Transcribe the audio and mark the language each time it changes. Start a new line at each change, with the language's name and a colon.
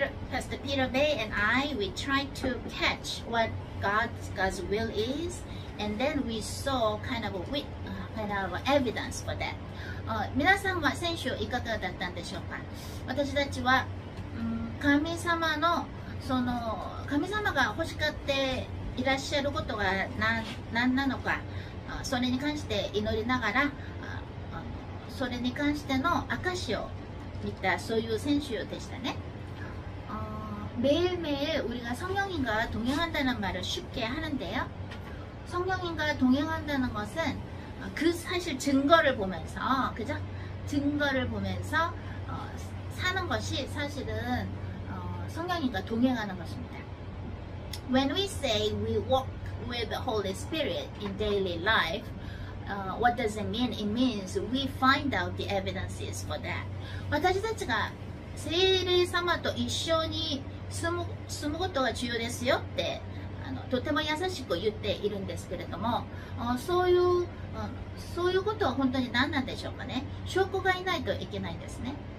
English: Pastor Peter Bay and I, we tried to catch what God's will is, and then we saw kind of evidence for that.
Japanese: 皆さんは先週いかがだったんでしょうか。私たちは、神様が欲しがっていらっしゃることが何なのか、それに関して祈りながら、それに関しての証を見た、そういう先週でしたね。
Korean: 매일매일 우리가 성령님과 동행한다는 말을 쉽게 하는데요. 성령님과 동행한다는 것은 그 사실 증거를 보면서, 그죠? 증거를 보면서 사는 것이 사실은 성령님과 동행하는 것입니다.
English: When we say we walk with the Holy Spirit in daily life, what does it mean? It means we find out the evidences for that.
Japanese: 私たちが聖霊様と一緒に住むことが重要ですよってとても優しく言っているんですけれども、そういうことは本当に何なんでしょうかね。証拠がいないといけないんですね。